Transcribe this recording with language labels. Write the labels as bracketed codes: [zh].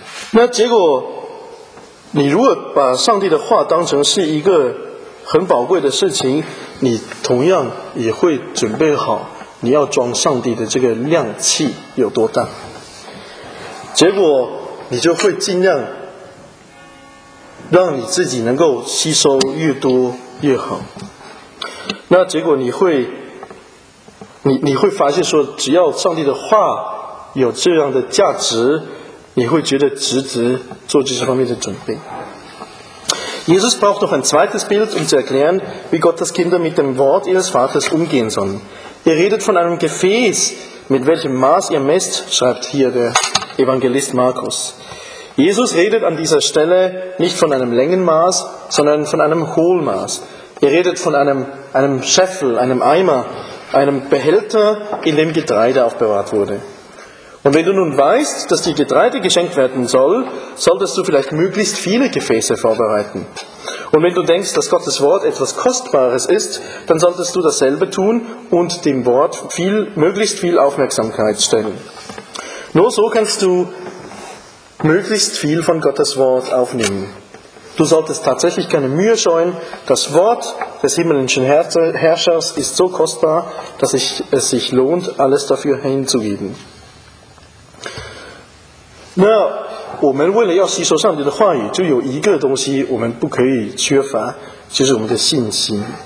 [zh] 那结果，你如果把上帝的话当成是一个很宝贵的事情，你同样也会准备好你要装上帝的这个量器有多大，结果你就会尽量让你自己能够吸收越多越好。那结果你会发现说，只要上帝的话有这样的价值，你会觉得值得做这些方面的准备。 [de] Jesus braucht noch ein zweites Bild, um zu erklären, wie Gottes Kinder mit dem Wort ihres Vaters umgehen sollen. Er redet von einem Gefäß, mit welchem Maß ihr messt, schreibt hier der Evangelist Markus. Jesus redet an dieser Stelle nicht von einem Längenmaß, sondern von einem Hohlmaß. Er redet von einem Scheffel, einem Eimer, einem Behälter, in dem Getreide aufbewahrt wurde. Und wenn du nun weißt, dass dir Getreide geschenkt werden soll, solltest du vielleicht möglichst viele Gefäße vorbereiten. Und wenn du denkst, dass Gottes Wort etwas Kostbares ist, dann solltest du dasselbe tun und dem Wort möglichst viel Aufmerksamkeit stellen. Nur so kannst du möglichst viel von Gottes Wort aufnehmen. Du solltest tatsächlich keine Mühe scheuen. Das Wort des himmlischen Herrschers ist so kostbar, dass es sich lohnt, alles dafür hinzugeben. [zh] Na, 我们为了要吸收上帝的话语，就有一个东西我们不可以缺乏，就是我们的信心。